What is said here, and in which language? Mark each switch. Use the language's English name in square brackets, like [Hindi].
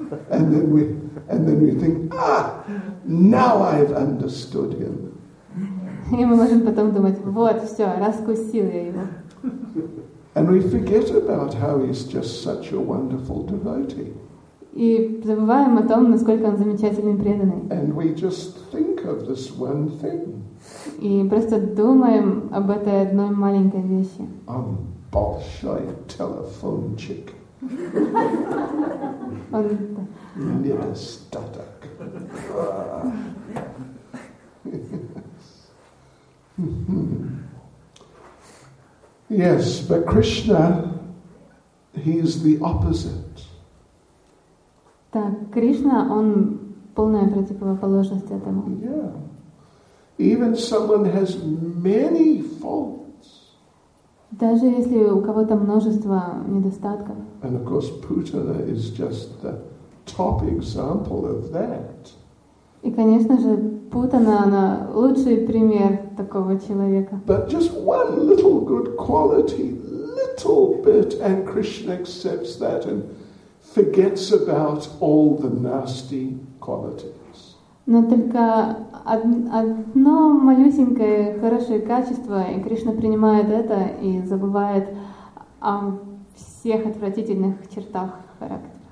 [English] And then we think, now I've understood him. [Russian] И мы можем потом думать, вот, все, раскусил я его. [English] And we forget about how he's just such a wonderful devotee. [Russian] И забываем о том, насколько он замечательный преданный. [English] And we just think of this one thing. [Russian] И просто думаем об этой одной маленькой вещи. Он большой телефончик. Недостаток. [English] Yes, but Krishna, he is the opposite. [Russian] Так, Кришна, он полная противоположность этому. [English] Yeah. Even someone has many faults. [Russian] Даже если у кого-то множество недостатков. [English] And of course, Putana is just the top example of that. [Russian] И, конечно же, Путана, она лучший пример такого человека. [English] But just one little good quality, little bit, and Krishna accepts that and forgets about all the nasty qualities. [Russian] Но только одно малюсенькое хорошее качество, и Кришна принимает это и забывает о всех отвратительных чертах характера.